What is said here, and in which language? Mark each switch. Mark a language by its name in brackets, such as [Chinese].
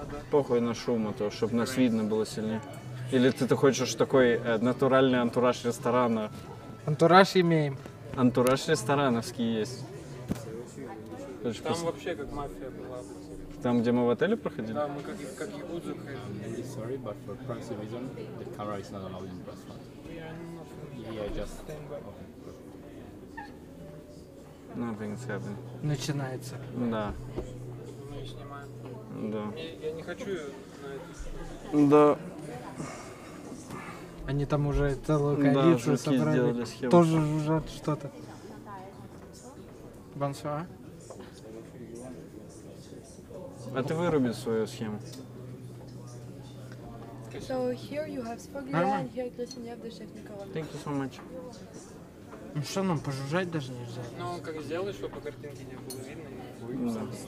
[Russian] Похуй на шум, а то, чтобы нас видно было сильнее. Или ты хочешь такой натуральный антураж ресторана? Антураж имеем. Антураж ресторановский есть. Там вообще как мафия была. Там, где мы в отеле проходили? Да, мы как якудзу ходили. [English] Sorry, but for privacy reason, the camera is not allowed in the restaurant. Yeah, just... Okay. Nothing's happening. [Russian] Начинается. Да. Мы ее снимаем. Да. Я не хочу ее на это. Да. Они там уже целую коалицию собрали. Сделали схему. Тоже жужжат что-то. [French] Бонсуа? [Russian] А ты выруби свою схему. [English] So here you have Spoglia and here Kristin, you have the chef Nicola. Thank you so much. [Russian] Ну что, нам пожужжать даже нельзя? Ну как сделать, чтобы по картинке не было видно?